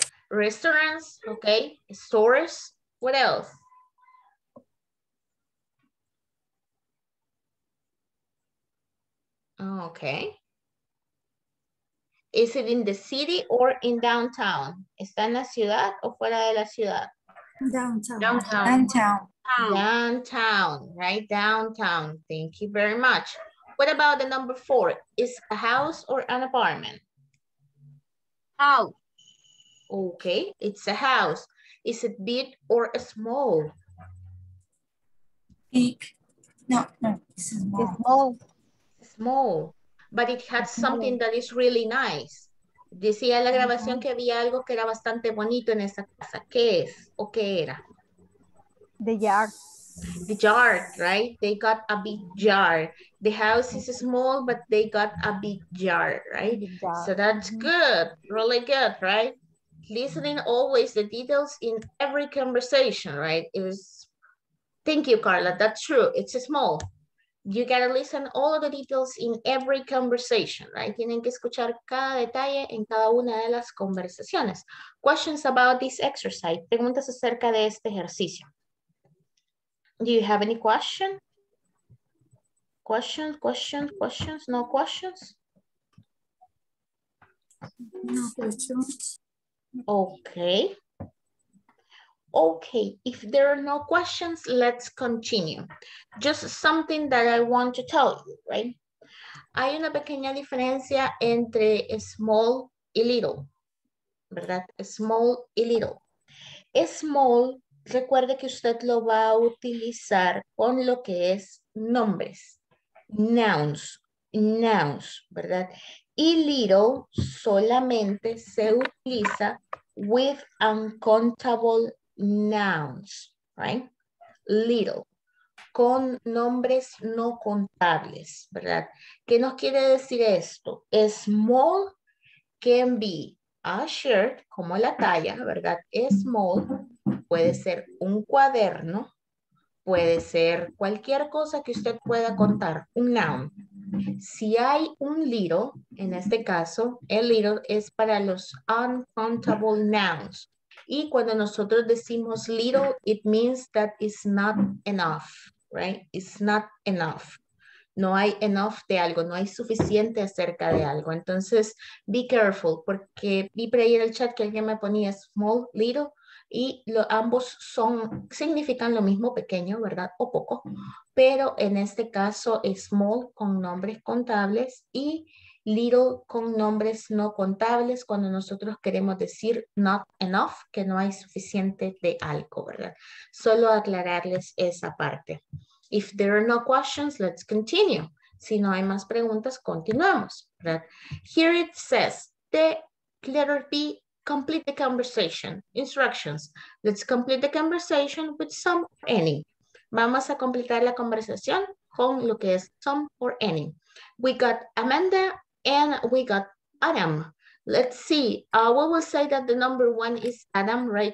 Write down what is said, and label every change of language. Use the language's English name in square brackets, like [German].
[English] Restaurants, okay. Stores. What else? Okay. Is it in the city or in downtown? [Spanish] ¿Está en la ciudad o fuera de la ciudad? [English] Downtown. Downtown, right? Downtown. Thank you very much. What about the number four? Is a house or an apartment? House. Okay, it's a house. Is it big or small? Big. No, this is small. It's small. Small, but it had something that is really nice. [Spanish] Decía la grabación que había algo que era bastante bonito en esa casa. ¿Qué es o qué era? [English] The yard. The yard, right? They got a big yard. The house is small, but they got a big yard, right? So that's good, really good, right? Listening always the details in every conversation, right? It was, thank you, Carla, that's true, it's small. You gotta listen all of the details in every conversation, right? [Spanish] Tienen que escuchar cada detalle en cada una de las conversaciones. [English] Questions about this exercise. [Spanish] Preguntas acerca de este ejercicio. [English] Do you have any question? Questions, questions, questions, no questions? No questions. Okay. Okay, if there are no questions, let's continue. Just something that I want to tell you, right? [Spanish] Hay una pequeña diferencia entre small y little, ¿verdad? Small y little. Small, recuerde que usted lo va a utilizar con lo que es nombres, nouns, nouns, ¿verdad? Y little solamente se utiliza [English] with uncountable nouns, right? [Spanish] Little, con nombres no contables, ¿verdad? ¿Qué nos quiere decir esto? [English] Small can be a shirt, [Spanish] como la talla, ¿verdad? Small puede ser un cuaderno, puede ser cualquier cosa que usted pueda contar, un noun. Si hay un little, en este caso, el little es para los uncountable nouns. Y cuando nosotros decimos [English] little, it means that it's not enough, right? It's not enough. [Spanish] No hay enough de algo, no hay suficiente acerca de algo. Entonces, be careful, porque vi por ahí en el chat que alguien me ponía small, little, y ambos son, significan lo mismo, pequeño, ¿verdad? O poco. Pero en este caso, small con nombres contables y little con nombres no contables cuando nosotros queremos decir not enough, que no hay suficiente de algo, ¿verdad? Solo aclararles esa parte. [English] If there are no questions, let's continue. [Spanish] Si no hay más preguntas, continuamos, ¿verdad? [English] Here it says, the letter B, complete the conversation. Instructions, let's complete the conversation with some or any. [Spanish] Vamos a completar la conversación con lo que es some or any. [English] We got Amanda and we got Adam. Let's see, we will say that the number one is Adam, right?